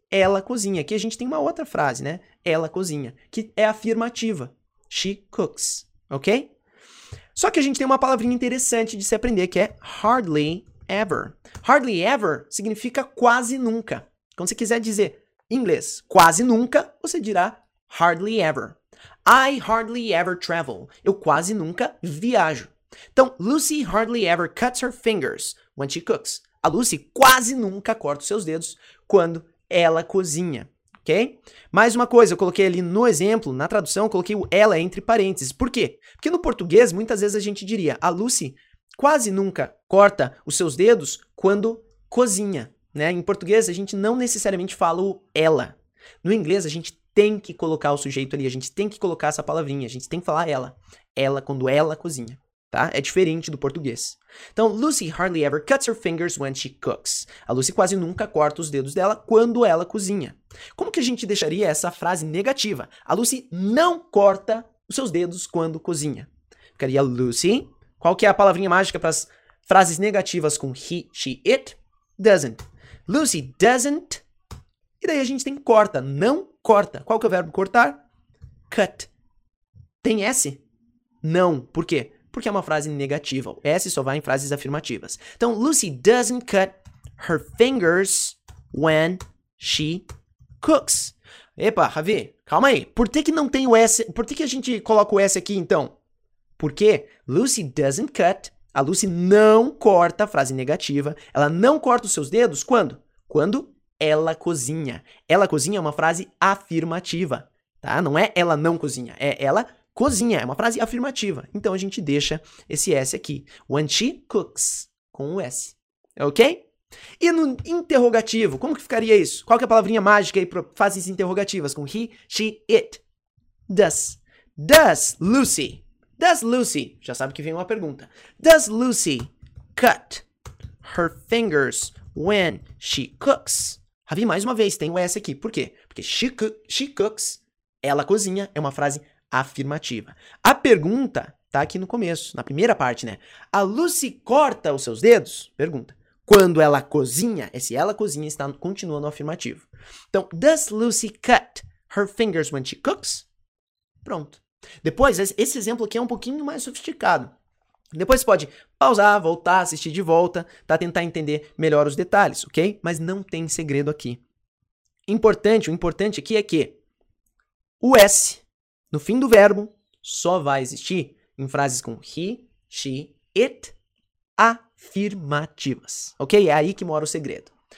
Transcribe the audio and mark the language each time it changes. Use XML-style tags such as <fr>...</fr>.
<pt>Ela cozinha. Aqui a gente tem uma outra frase, né? Ela cozinha, que é afirmativa.</pt> <en>She cooks.</en> <pt>Ok? Só que a gente tem uma palavrinha interessante de se aprender, que é hardly ever. Hardly ever significa quase nunca. Quando você quiser dizer em inglês quase nunca, você dirá hardly ever.</pt> <en>I hardly ever travel.</en> <pt>Eu quase nunca viajo.</pt> <en>Então, Lucy hardly ever cuts her fingers when she cooks.</en> <pt>A Lucy quase nunca corta os seus dedos quando ela cozinha. Ok? Mais uma coisa, eu coloquei ali no exemplo, na tradução, eu coloquei o ela entre parênteses. Por quê? Porque no português, muitas vezes a gente diria a Lucy quase nunca corta os seus dedos quando cozinha. Né? Em português, a gente não necessariamente fala o ela. No inglês, a gente tem que colocar o sujeito ali, a gente tem que colocar essa palavrinha, a gente tem que falar ela. Ela quando ela cozinha, tá? É diferente do português.</pt> <en>Então, Lucy hardly ever cuts her fingers when she cooks.</en> <pt>A Lucy quase nunca corta os dedos dela quando ela cozinha. Como que a gente deixaria essa frase negativa? A Lucy não corta os seus dedos quando cozinha. Ficaria Lucy. Qual que é a palavrinha mágica para as frases negativas com he, she, it? Doesn't.</pt> <en>Lucy doesn't.</en> <pt>E daí a gente tem corta, não corta. Qual que é o verbo cortar? Cut. Tem S? Não. Por quê? Porque é uma frase negativa. O S só vai em frases afirmativas.</pt> <en>Então, Lucy doesn't cut her fingers when she cooks.</en> <pt>Epa, Javi, calma aí. Por que que não tem o S? Por que que a gente coloca o S aqui, então? Porque</pt> <en>Lucy doesn't cut.</en> <pt>A Lucy não corta a frase negativa. Ela não corta os seus dedos quando? Quando ela cozinha. Ela cozinha é uma frase afirmativa, tá? Não é ela não cozinha, é ela cozinha, é uma frase afirmativa. Então a gente deixa esse S aqui.</pt> <en>When she cooks</en> <pt>com o S. Ok? E no interrogativo, como que ficaria isso? Qual que é a palavrinha mágica aí para frases interrogativas com he, she, it?</pt> <en>Does. Does Lucy. Does Lucy.</en> <pt>Já sabe que vem uma pergunta.</pt> <en>Does Lucy cut her fingers when she cooks?</en> <pt>Ravi, mais uma vez, tem o S aqui. Por quê? Porque</pt> <en>she cooks,</en> <pt>ela cozinha, é uma frase afirmativa. A pergunta tá aqui no começo, na primeira parte, né? A Lucy corta os seus dedos? Pergunta. Quando ela cozinha, esse ela cozinha está continuando afirmativo.</pt> <en>Então, does Lucy cut her fingers when she cooks?</en> <pt>Pronto. Depois, esse exemplo aqui é um pouquinho mais sofisticado. Depois você pode pausar, voltar, assistir de volta, tá? Tentar entender melhor os detalhes, ok? Mas não tem segredo aqui. Importante, o importante aqui é que o S no fim do verbo só vai existir em frases com he, she, it afirmativas, ok? É aí que mora o segredo.</pt>